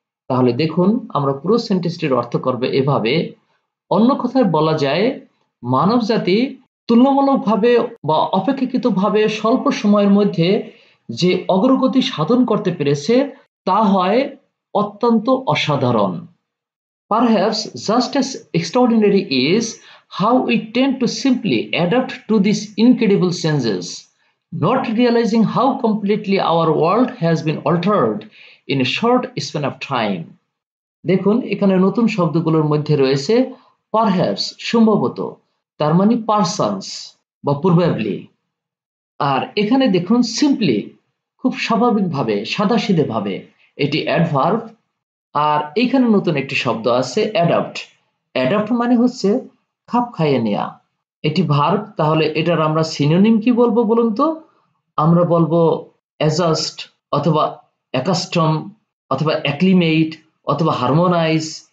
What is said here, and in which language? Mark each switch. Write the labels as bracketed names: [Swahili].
[Bangla] তাহলে দেখুন আমরা পুরো সেন্টেন্সটির অর্থ করবে এভাবে, অন্য কথায় বলা যায় মানব জাতি তুলনামূলকভাবে বা অপেক্ষাকৃতভাবে স্বল্প সময়ের মধ্যে যে অগ্রগতি সাধন করতে পেরেছে তা হয় অত্যন্ত অসাধারণ। [English] Perhaps just as extraordinary is how we tend to simply adapt to these incredible changes, not realizing how completely our world has been altered in a short span of time. [Bangla] দেখুন এখানে নতুন শব্দগুলোর মধ্যে রয়েছে perhaps সম্ভবত তার মানে persons বা probably আর এখানে দেখুন simply খুব স্বাভাবিকভাবে সাদাসিধেভাবে এটি adverb আর এখানে নতুন একটি শব্দ আছে adapt adapt মানে হচ্ছে খাপ খাইয়ে নেওয়া এটি verb তাহলে এটার আমরা synonym কি বলবো বলুন তো আমরা বলবো adjust অথবা accustom অথবা acclimate অথবা হারমোনাইজ